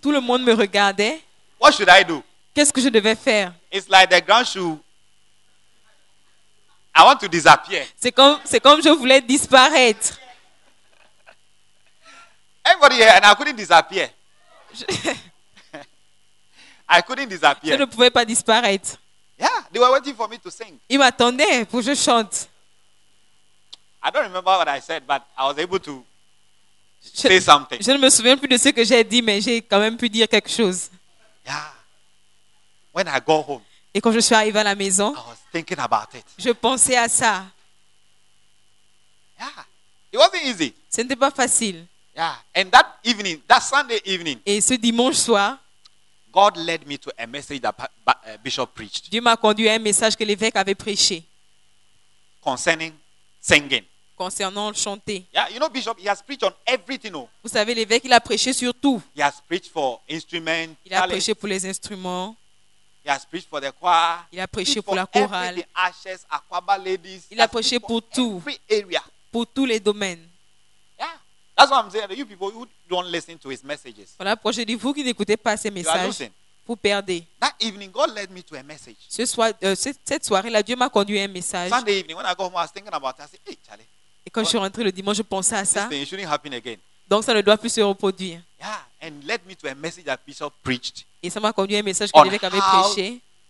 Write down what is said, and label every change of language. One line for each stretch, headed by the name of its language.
French: Tout le monde me regardait.
English: What should I do?
French: Qu'est-ce que je devais faire?
English: It's like the grand shoe. I want to disappear.
French: C'est comme je voulais disparaître.
English: Everybody here, and I couldn't disappear. I couldn't disappear.
French: Je ne pouvais pas disparaître.
English: Yeah, they were waiting for me to sing.
French: Ils m'attendaient pour que je chante.
English: I don't remember what I said, but I was able to say something.
French: Je ne me souviens plus de ce que j'ai dit, mais j'ai quand même pu dire quelque chose.
English: Yeah. When I go home,
French: et quand je suis arrivé à la maison,
English: I was thinking about it.
French: Je pensais à ça.
English: Yeah, it wasn't easy.
French: Ce n'était pas facile.
English: Yeah, and that evening, that Sunday evening,
French: et ce dimanche soir,
English: God led me to a message that Bishop preached.
French: Dieu m'a conduit à un message que l'évêque avait prêché.
English: Concerning singing.
French: Concernant chanter.
English: Yeah, you know, Bishop, he has preached on everything. Oh.
French: Vous savez, l'évêque, il a prêché sur tout.
English: He has preached for instruments.
French: Il a prêché pour les instruments.
English: He has preached for the choir.
French: Il a prêché pour la chorale. Ashes, Aquaba ladies. Il a prêché pour tout.
English: Every area.
French: Pour tous les domaines.
English: Yeah. That's what I'm saying. You people who don't listen to his messages.
French: Voilà pourquoi je dis, vous qui n'écoutez pas ses messages, vous perdez.
English: That evening, God led me to a message.
French: Ce soir, cette soirée-là, Dieu m'a conduit à un message.
English: Sunday evening, when I go home, I was thinking about it. I said, hey, Charlie.
French: Et quand je suis rentré le dimanche, je pensais à ça.
English: This thing, it shouldn't happen again.
French: Donc ça ne doit plus se reproduire.
English: Yeah, and led me to a message that Bishop preached.
French: Et ça m'a conduit à un message que l'évêque avait prêché.